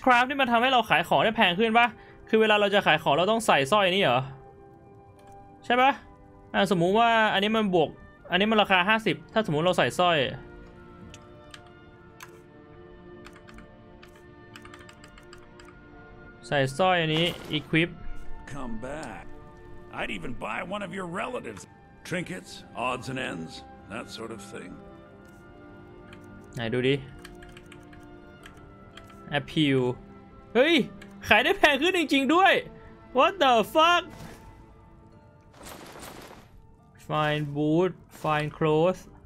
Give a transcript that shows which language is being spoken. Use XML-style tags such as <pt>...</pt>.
<th>นี่มันทำให้เราขายของได้แพงขึ้นปะคือเวลาเราจะขายของเราต้องใส่สร้อยนี่เหรอใช่ปะสมมุติว่าอันนี้มันบวกอันนี้มันราคา50ถ้าสมมุติเราใส่สร้อยใส่สร้อยอันนี้ equip</th> <en>come back I'd even buy one of your relatives trinkets odds and ends that sort of thing</en> <th>ไหนดูดิ appeal เฮ้ยขายได้แพงขึ้นจริงๆด้วย</th> <en>what the fuckFind boot, find clothes.</en>